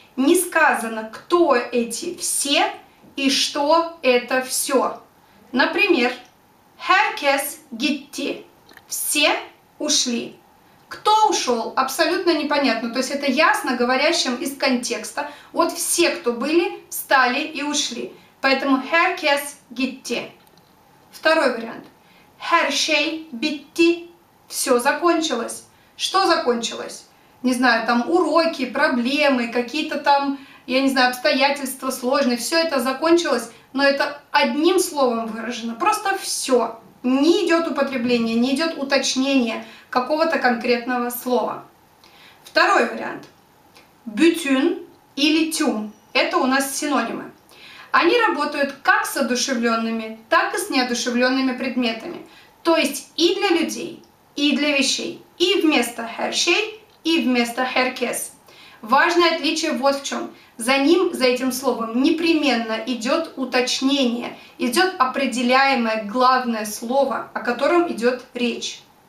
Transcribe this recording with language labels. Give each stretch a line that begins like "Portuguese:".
Russian: Не сказано, кто эти «все» и что это «всё». Например,
Turkish: «herkes gitti»
Russian: – «все ушли». Кто ушел? Абсолютно непонятно. То есть это ясно говорящим из контекста. Вот все, кто были, встали и ушли. Поэтому
Turkish: herkes gitti.
Russian: Второй вариант.
Turkish: Her şey bitti.
Russian: Все закончилось. Что закончилось? Не знаю, там уроки, проблемы, какие-то там, я не знаю, обстоятельства сложные. Все это закончилось, но это одним словом выражено. Просто все. Не идет употребление, не идет уточнение какого-то конкретного слова. Второй вариант.
Turkish: Bütün или tüm.
Russian: Это у нас синонимы. Они работают как с одушевленными, так и с неодушевленными предметами. То есть и для людей, и для вещей. И вместо her şey, и вместо herkes. Важное отличие вот в чем. За ним, за этим словом, непременно идет уточнение, идет определяемое главное слово, о котором идет речь.